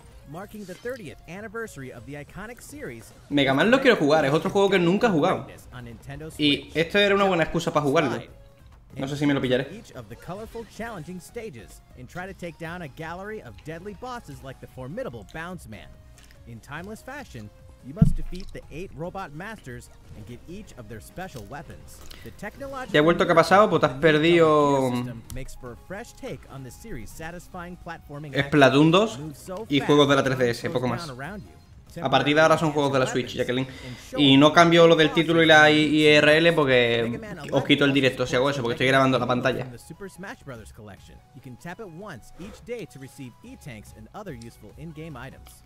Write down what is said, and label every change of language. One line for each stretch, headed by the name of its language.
English: Marking the 30th anniversary of the iconic series.
Spanish: Mega Man lo quiero jugar, es otro juego que nunca he jugado. Y esto era una buena excusa para jugarlo. No sé si me lo pillaré.
English: Each of the colorful challenging stages and try to take down a gallery of deadly bosses like the formidable Bounce Man. In timeless fashion, you must defeat the 8 robot masters and get each of their special weapons. The
Spanish: technological... ¿Ya ha vuelto qué ha pasado? Pues has perdido...
English: ...makes for a fresh take on the series satisfying platforming...
Spanish: Splatoon 2 y juegos de la 3DS, poco más. A partir de ahora son juegos de la Switch, Jacqueline. Y no cambio lo del título y la IRL porque os quito el directo si hago eso, porque estoy grabando la pantalla.
English: Super Smash Brothers Collection. You can tap it once each day to receive E-Tanks and other useful in-game items.